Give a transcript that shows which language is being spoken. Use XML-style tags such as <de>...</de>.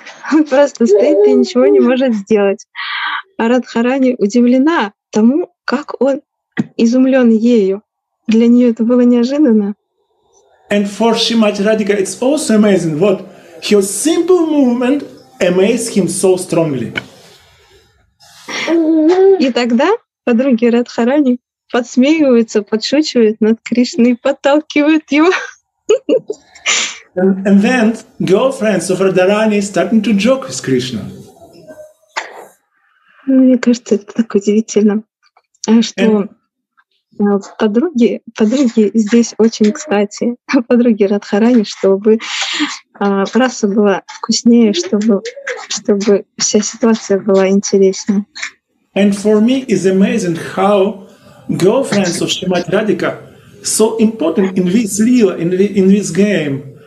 <ru>Он просто стоит и ничего не может сделать. А Радхарани удивлена тому, как он изумлен ею. Для нее это было неожиданно.</ru> <en>And for Srimati Radhika, it's also amazing what her simple movement amazed him so strongly.</en> <ru>И тогда подруги Радхарани подсмеиваются, подшучивают над Кришной и подталкивают его.</ru> <en>And then girlfriends of Radharani starting to joke with Krishna.</en> <ru>Мне кажется, это так удивительно, что подруги здесь очень кстати, подруги Радхарани, чтобы раса была вкуснее, чтобы вся ситуация была интереснее.</ru> <en>And for me is amazing how girlfriends of Srimati Radhika so important in this lila, in this game.</en>